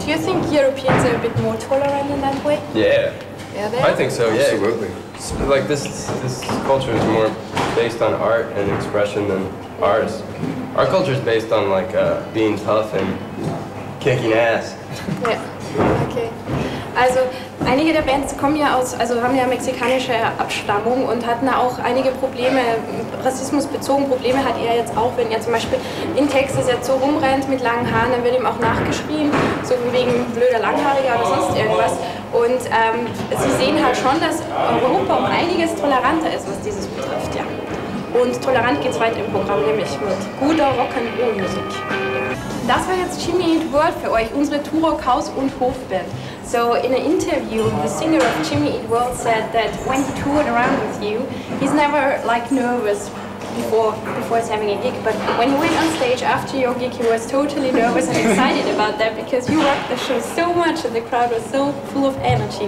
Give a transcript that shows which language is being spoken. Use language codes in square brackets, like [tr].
[en] Do you think Europeans are a bit more tolerant in that way? Yeah. Yeah, they are? I think so, yeah. Absolutely. Like this culture is more based on art and expression than ours. Our culture is based on like being tough and kicking ass. Yeah, okay. [de] Also, einige der Bands kommen ja aus, also haben ja mexikanische Abstammung und hatten auch einige Probleme, rassismusbezogene Probleme hat er jetzt auch, wenn er zum Beispiel in Texas jetzt so rumrennt mit langen Haaren, dann wird ihm auch nachgeschrien, so wegen blöder Langhaariger oder sonst irgendwas. Und sie sehen halt schon, dass Europa um einiges toleranter ist, was dieses betrifft, ja. Und tolerant geht es weiter im Programm, nämlich mit guter Rock'n'Roll-Musik. Das war jetzt Jimmy Eat World für euch, unsere Turok Haus und Hofband. [en] So in an interview, the singer of Jimmy Eat World said that when he toured around with you, he's never like nervous before he's having a gig. But when he went on stage after your gig, he was totally nervous and excited about that because you rocked the show so much and the crowd was so full of energy.